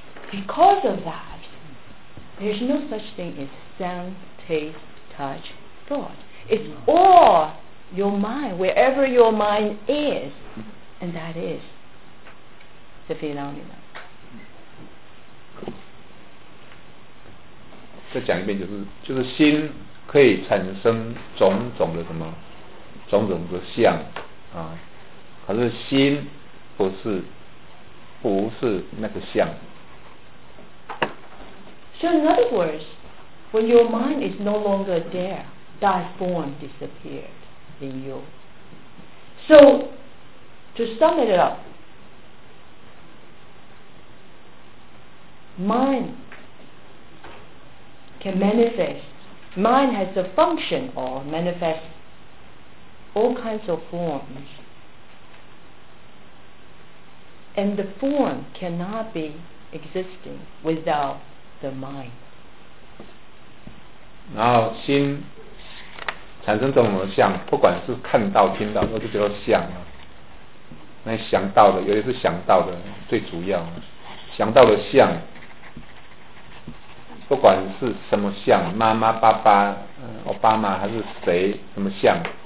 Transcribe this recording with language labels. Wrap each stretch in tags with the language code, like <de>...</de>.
<en>Because of that, there's no such thing as sound, taste, touch, thought. It's all your mind, wherever your mind is, and that is the phenomenon.</en> <zh>再讲一遍，就是心可以产生种种的什么？种种的相啊，可是心不是那个相。</zh> <en>So in other words, when your mind is no longer there, that form disappeared in you. So to sum it up, mind can manifest. Mind has the function of manifest all kinds of forms, and the form cannot be existing without the mind.</en> <zh>然后心产生这种像，不管是看到、听到，都是叫做像啊。那想到的，尤其是想到的，最主要想到的像，不管是什么像，妈妈、爸爸、奥巴马还是谁，什么像。</zh>